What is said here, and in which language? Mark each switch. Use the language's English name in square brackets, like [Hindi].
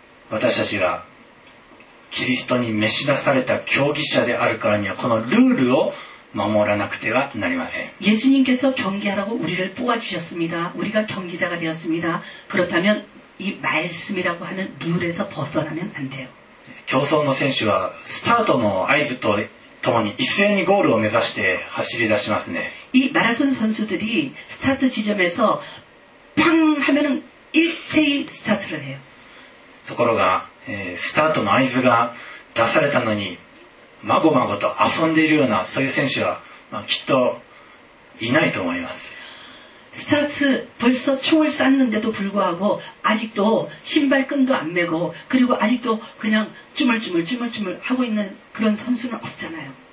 [Japanese] 私たちがキリストに召し出された競技者であるからにはこのルールを守らなくてはなりません。 [Korean] イエス님께서경기하라고우리를뽑아주셨습니다。 우리가경기자가되었습니다。 그렇다면이말씀이라고하는룰에서벗어나면안돼요。 [Japanese] 競争の選手はスタートの合図とともに一斉にゴールを目指して走り出しますね。 [Korean] 이마라톤선수들이스타트지점에서팡하면은일제히스타트를해요。 [Japanese] ところが、スタートの合図が出されたのにまごまごと遊んでいるようなそういう選手は、まあ、きっといないと思います [Korean] スタート벌써총을쐈는데도불구하고아직도신발끈도안메고그리고아직도그냥쭈물쭈물쭈물쭈물하고있는그런선수는없잖아요